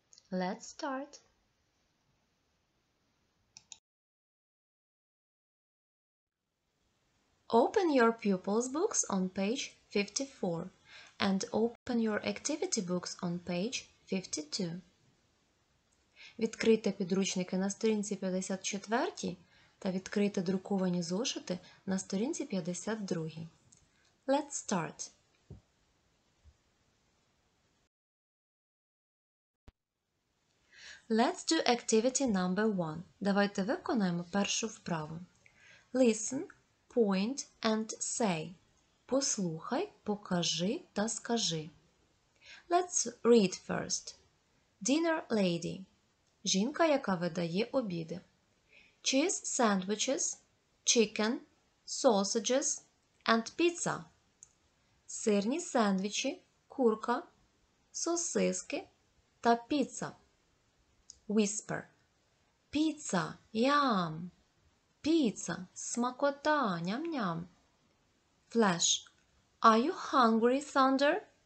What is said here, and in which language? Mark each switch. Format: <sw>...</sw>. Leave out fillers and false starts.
<en>Let's start. Open your pupil's books on page 54. And open your activity books on page 52.</en> <uk>Відкрийте підручники на сторінці 54 та відкрийте друковані зошити на сторінці 52.</uk> <en>Let's start. Let's do activity number 1.</en> <uk>Давайте виконаємо першу вправу.</uk> <en>Listen, point and say.</en> <uk>Послухай, покажи та скажи.</uk> <en>Let's read first. Dinner lady.</en> <uk>Жінка, яка видає обіди.</uk> <en>Cheese sandwiches, chicken, sausages and pizza.</en> <uk>Сирні сендвічі, курка, сосиски та піца.</uk> <en>Whisper.</en> <uk>Піца, ям. Піца, смакота, ням-ням.</uk> <en>Flash. Are you hungry, Thunder?</en>